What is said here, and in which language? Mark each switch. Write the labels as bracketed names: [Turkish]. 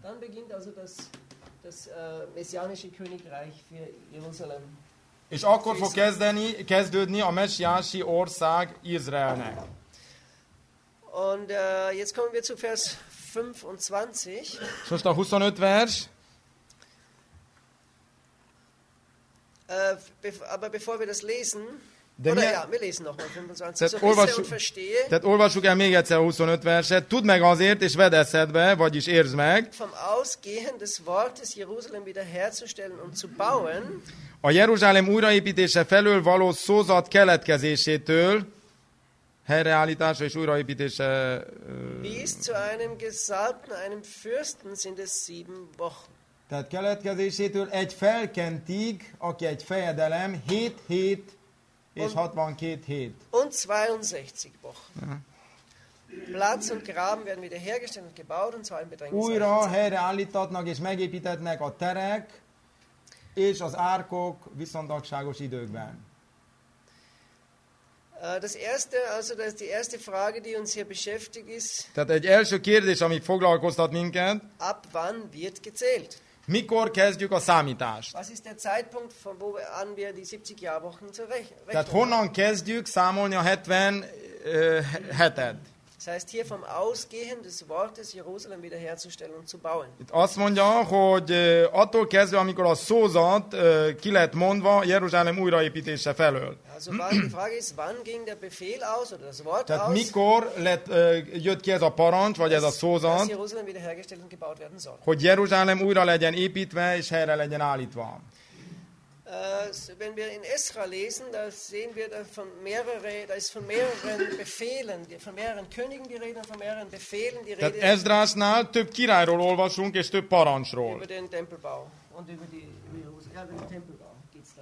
[German] Dann beginnt also das messianische Königreich für Jerusalem [Hungarian] És akkor fog kezdődni a messiási ország Izraelnek. [German] Und jetzt kommen wir zu Vers 25. [Hungarian] És most a 25 vers. [German] Aber bevor wir das lesen, de oder wir lesen noch mal 25, [Hungarian] so olvassuk, hisze [German] und verstehe. [Hungarian] Tehát olvassuk el még egyszer a 25 verset. Tudd meg azért, és vedd eszedbe, vagyis értsd meg. [German] Vom Ausgehen des Wortes Jerusalem wiederherzustellen und zu bauen. [Hungarian] A Jeruzsálem újraépítése felől való szózat keletkezésétől, helyreállítása és újraépítése... [German] Bis zu einem gesalbten, einem fürsten sind es sieben Wochen. [Hungarian] Tehát keletkezésétől egy felkentig, aki egy fejedelem, 7 hét és 62 hét. [German] Und 62 Wochen. Platz und Graben werden wiederhergestellt und gebaut und zwar in Bedrängnis. [Hungarian] Újra helyreállítatnak és megépítetnek a terek, és az árkok viszontagságos időkben. [German] Das erste, also das die erste Frage, die uns hier beschäftigt ist. [Hungarian] Tehát egy első kérdés, ami foglalkoztat minket. [German] Ab wann wird gezählt? [Hungarian] Mikor kezdjük a számítást? [German] Was ist der Zeitpunkt, von wo an wir die 70 Jahrwochen zu rechnen? [Hungarian] Tehát honnan kezdjük számolni a 70 hetet? [German] Das heißt hier vom Ausgehen des Wortes Jerusalem wiederherzustellen und zu bauen. [Hungarian] Itt azt mondja, hogy attól kezdve, amikor a szózat ki lett mondva Jeruzsálem újraépítése felől. [German] Also die Frage ist, wann ging der Befehl aus oder das Wort [Hungarian] tehát [German] aus? [Hungarian] Mikor lett, jött ki ez a parancs, vagy ez a szózat, [German] dass Jerusalem wiederhergestellt und gebaut werden soll. [Hungarian] Hogy Jeruzsálem újra legyen építve és helyre legyen állítva. [German] Wenn wir in Esra lesen, da sehen wir da ist von mehreren Befehlen, von mehreren Königen die Rede, von mehreren Befehlen die Rede. [Hungarian] Esdrásnál több királyról olvasunk és több parancsról. [German] Über den Tempelbau und über den Tempelbau geht's